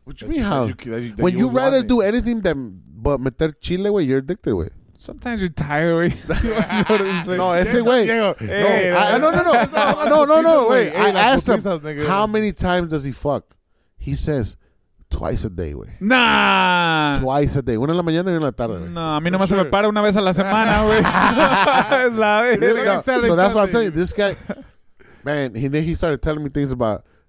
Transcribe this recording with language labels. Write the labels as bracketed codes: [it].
[en] What you mean, how? When you rather do anything than but [es] meter chile, [en] way, you're addicted, way. Sometimes you're tired, way. [es] No, ese way. No. [en] Wait, I asked him, how many times does he fuck? He says, twice a day, güey. Nah. Twice a day. [es] Una en la mañana y una en la tarde, güey. No, a mí nomás se me para una vez a la semana, güey. Es la vez. [en] So that's what I'm telling you. This guy, man, he started telling me things about